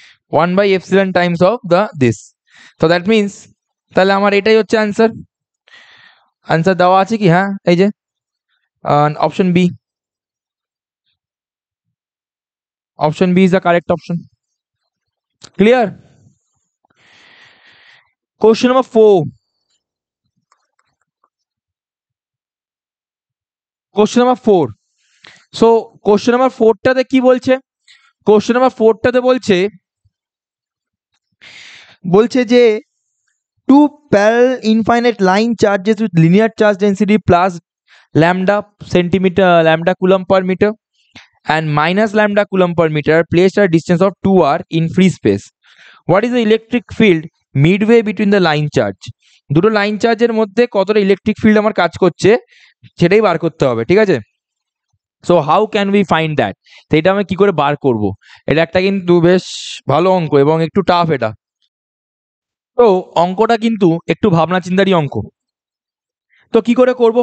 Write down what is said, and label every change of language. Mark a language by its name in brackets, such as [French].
[English] 1 by epsilon times of the this. So that means [Bangla] তাহলে আমার এটাই হচ্ছে আনসার, আনসার দেওয়া আছে কি? হ্যাঁ, এই যে option B, option B is the correct option. Clear? Question number 4, question number 4। So question number 4টাতে কি বলছে? কোশ্চেন নাম্বার 4টাতে বলছে, বলছে যে [English] two parallel infinite line charges with linear charge density plus lambda centimeter lambda coulomb per meter and minus lambda coulomb per meter placed at a distance of 2r in free space. What is the electric field midway between the line charge? [Bangla] দুটো line charge এর মধ্যে কতটা electric field আমার কাজ করছে সেটাই বার করতে হবে, ঠিক আছে? [English] So how can we find that? [Bangla] সেটা আমি কি করে বার করব? এটা একটা কিন্তু বেশ ভালো অঙ্ক এবং একটু টাফ এটা। তো অঙ্কটা কিন্তু একটু ভাবনা চিন্তারই অঙ্ক। তো কি করে করব?